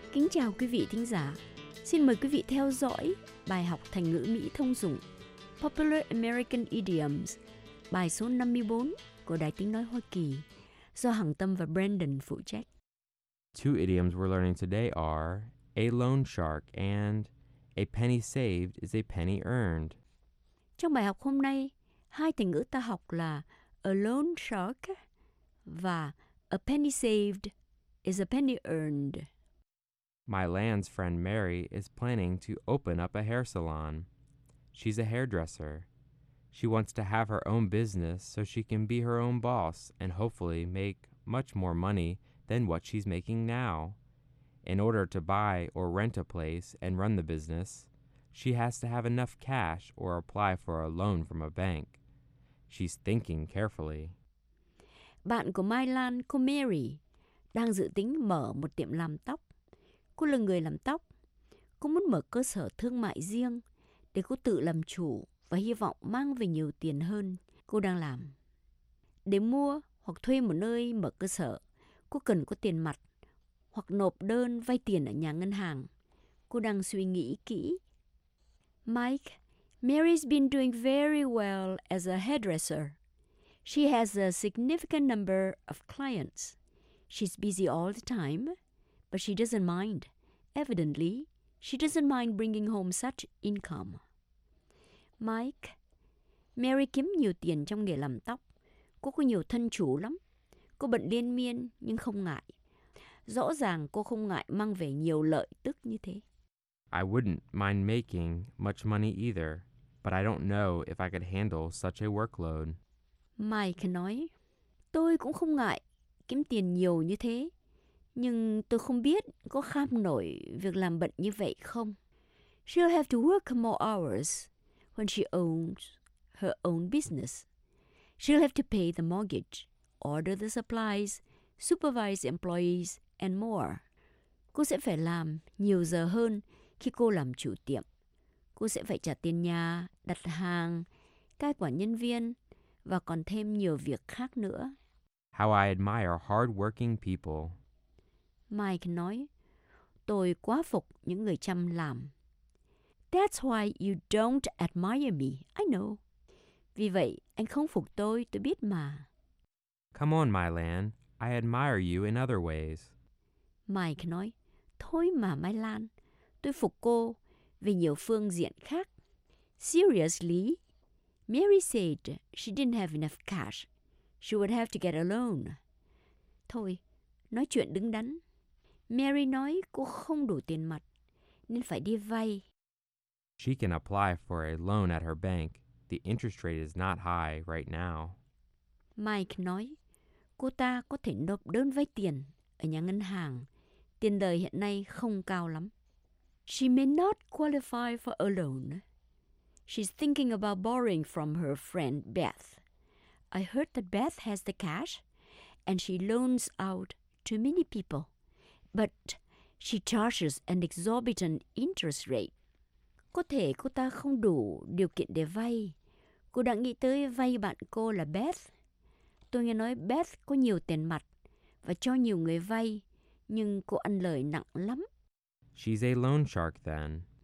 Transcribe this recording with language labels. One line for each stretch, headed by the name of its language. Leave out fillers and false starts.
Vietnamese: Chào quý vị thính giả. Xin mời quý vị theo dõi bài học thành ngữ Mỹ thông dụng
English: Popular American Idioms,
Vietnamese: bài số 54 của Đài Tiếng Nói Hoa Kỳ do Hằng Tâm và Brandon phụ trách.
English: Two idioms we're learning today are a loan shark and a penny saved is a penny earned.
Vietnamese: Trong bài học hôm nay, hai thành ngữ ta học là
English: a loan shark
Vietnamese: và
English: a penny saved is a penny earned. My land's friend Mary is planning to open up a hair salon. She's a hairdresser. She wants to have her own business so she can be her own boss and hopefully make much more money than what she's making now. In order to buy or rent a place and run the business, she has to have enough cash or apply for a loan from a bank. She's thinking carefully.
Vietnamese: Bạn của My Lan, cô Mary, đang dự tính mở một tiệm làm tóc. Cô là người làm tóc. Cô muốn mở cơ sở thương mại riêng để cô tự làm chủ và hy vọng mang về nhiều tiền hơn cô đang làm. Để mua hoặc thuê một nơi mở cơ sở, cô cần có tiền mặt hoặc nộp đơn vay tiền ở nhà ngân hàng. Cô đang suy nghĩ kỹ.
English: Mike, Mary's been doing very well as a hairdresser. She has a significant number of clients. She's busy all the time, but she doesn't mind. Evidently, she doesn't mind bringing home such income.
Vietnamese: Mike, Mary kiếm nhiều tiền trong nghề làm tóc. Cô có nhiều thân chủ lắm. Cô bận liên miên nhưng không ngại. Rõ ràng cô không ngại mang về nhiều lợi tức như thế.
English: I wouldn't mind making much money either, but I don't know if I could handle such a workload.
Vietnamese: Mike nói, tôi cũng không ngại kiếm tiền nhiều như thế, nhưng tôi không biết có kham nổi việc làm bận như vậy không.
English: She'll have to work more hours when she owns her own business. She'll have to pay the mortgage, order the supplies, supervise employees, and more.
Vietnamese: Cô sẽ phải làm nhiều giờ hơn khi cô làm chủ tiệm. Cô sẽ phải trả tiền nhà, đặt hàng, cai quản nhân viên, và còn thêm nhiều việc khác nữa.
English: How I admire hard-working people.
Vietnamese: Mike nói, tôi quá phục những người chăm làm.
English: That's why you don't admire me, I know.
Vietnamese: Vì vậy, anh không phục tôi biết mà.
English: Come on, Mylan, I admire you in other ways.
Vietnamese: Mike nói, thôi mà, Mylan, tôi phục cô về nhiều phương diện khác.
English: Seriously, Mary said she didn't have enough cash. She would have to get a loan.
Vietnamese: Thôi, nói chuyện đứng đắn. Mary nói cô không đủ tiền mặt, nên phải đi vay.
English: She can apply for a loan at her bank. The interest rate is not high right now.
Vietnamese: Mike nói, cô ta có thể nộp đơn vay tiền ở nhà ngân hàng. Tiền lời hiện nay không cao lắm.
English: She may not qualify for a loan. She's thinking about borrowing from her friend Beth. I heard that Beth has the cash and she loans out to many people. But she charges an exorbitant interest rate.
Vietnamese: Có thể cô ta không đủ điều kiện để vay. Cô đã nghĩ tới vay bạn cô là Beth. Tôi nghe nói Beth có nhiều tiền mặt và cho nhiều người vay, nhưng cô ăn lời nặng lắm.
English: She's a loan shark then.